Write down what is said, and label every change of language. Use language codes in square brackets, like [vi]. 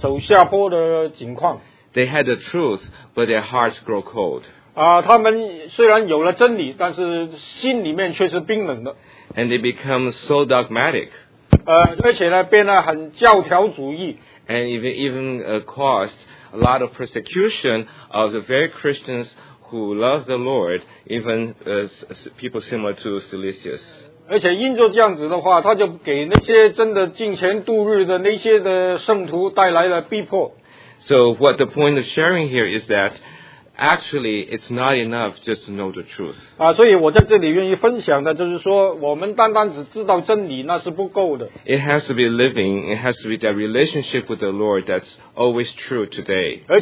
[zh] 他发现就是日子一天天过去，就是在信徒的里面都有一种的低潮，走下坡的情况。 [en] They had the truth, but their hearts grow cold. [zh] 他们虽然有了真理，但是心里面却是冰冷的。 [en] And they become so dogmatic. [zh] 而且呢，变得很教条主义。 [en] And even caused a lot of persecution of the very Christians who love the Lord, even people similar to Silesius. [zh] 而且因着这样子的话，他就给那些真的敬虔度日的那些的圣徒带来了逼迫。 [en] So what the point of sharing here is that actually it's not enough just to know the truth. [zh] 所以我在这里愿意分享的就是说，我们单单只知道真理那是不够的。 [en] It has to be living. It has to be that relationship with the Lord that's always true today.